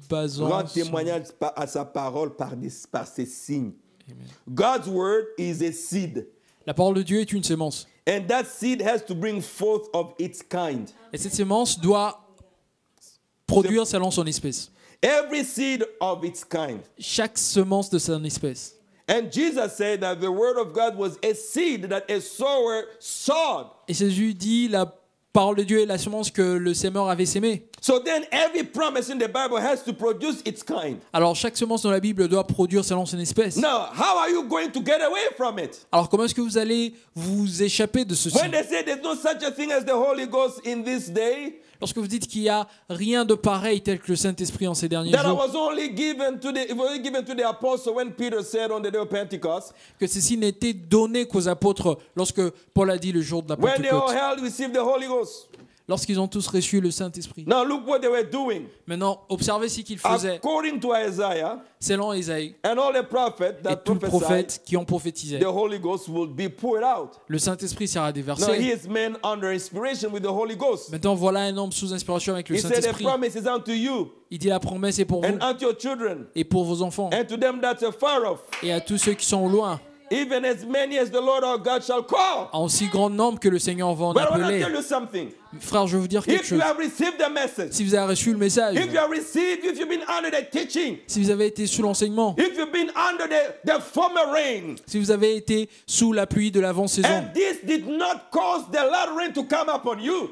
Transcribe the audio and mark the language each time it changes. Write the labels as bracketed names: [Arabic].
[French] rend témoignage à sa parole par ses signes. [English] God's word is a seed. [French] La parole de Dieu est une semence. [English] And that seed has to bring forth of its kind. [French] Et cette semence doit produire selon son espèce. [English] Every seed of its kind. [French] Chaque semence de son espèce. [English] And Jesus said that the word of God was a seed that a sower sowed. [French] Et Jésus dit la parole de Dieu est la semence que le semeur avait semée. [English] So then every promise in the Bible has to produce its kind. [French] Alors chaque semence dans la Bible doit produire selon son espèce. [English] Now, how are you going to get away from it? [French] Alors comment est-ce que vous allez vous échapper de ceci? [English] When they say there's no such a thing as the Holy Ghost in this day. [French] Lorsque vous dites qu'il n'y a rien de pareil tel que le Saint-Esprit en ces derniers [English] that [French] jours, [English] I was only given to the apostles when Peter said on the day of Pentecost, [French] que ceci n'était donné qu'aux apôtres lorsque Paul a dit le jour de la Pentecôte. [English] When they all held, received the Holy Ghost. [French] Lorsqu'ils ont tous reçu le Saint-Esprit. [English] Now look what they were doing. [French] Maintenant, observez ce qu'ils faisaient. [English] According to Isaiah, [French] selon Isaïe, [English] and all the prophets that [French] et tous les prophètes qui ont prophétisé, [English] the Holy Ghost will be poured out. [French] Le Saint-Esprit sera déversé. [English] Now he is man under inspiration with the Holy Ghost. [French] Maintenant, voilà un homme sous inspiration avec le Saint-Esprit. [English] He said, "The promise is unto you." [French] Il dit la promesse est pour [English] and [French] vous [English] unto your children, [French] et pour vos enfants [English] and to them that are far off. [French] Et à tous ceux qui sont loin. [English] Even as many as the Lord our God shall call. [French] En aussi grand nombre que le Seigneur va en appeler. [English] But I want to tell you something. [French] Frère, je veux vous dire quelque chose. [English] If you have received the message, [French] si vous avez reçu le message, [English] if you have received, if you've been under the teaching, [French] si vous avez été sous l'enseignement, [English] if you've been under the former rain, [French] si vous avez été sous la pluie de l'avant-saison, [English] and this did not cause the latter rain to come upon you,